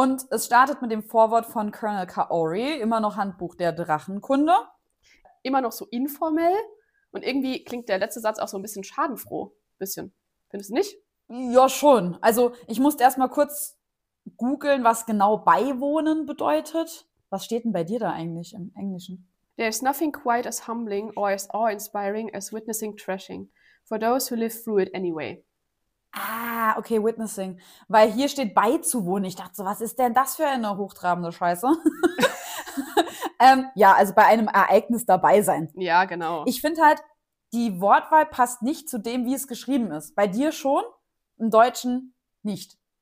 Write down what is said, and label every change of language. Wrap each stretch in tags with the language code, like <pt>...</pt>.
<de>Und es startet mit dem Vorwort von Colonel Kaori, immer noch Handbuch der Drachenkunde. Immer noch so informell. Und irgendwie klingt der letzte Satz auch so ein bisschen schadenfroh. Bisschen. Findest du nicht? Ja, schon. Also ich musste erst mal kurz googeln, was genau beiwohnen bedeutet. Was steht denn bei dir da eigentlich im Englischen?</de> <en>There is nothing quite as humbling or as awe-inspiring as witnessing trashing. For those who live through it anyway. Ah, okay, witnessing.</en> <de>Weil hier steht beizuwohnen. Ich dachte so, was ist denn das für eine hochtrabende Scheiße? ja, also bei einem Ereignis dabei sein. Ja, genau. Ich finde halt, die Wortwahl passt nicht zu dem, wie es geschrieben ist. Bei dir schon, im Deutschen nicht.</de>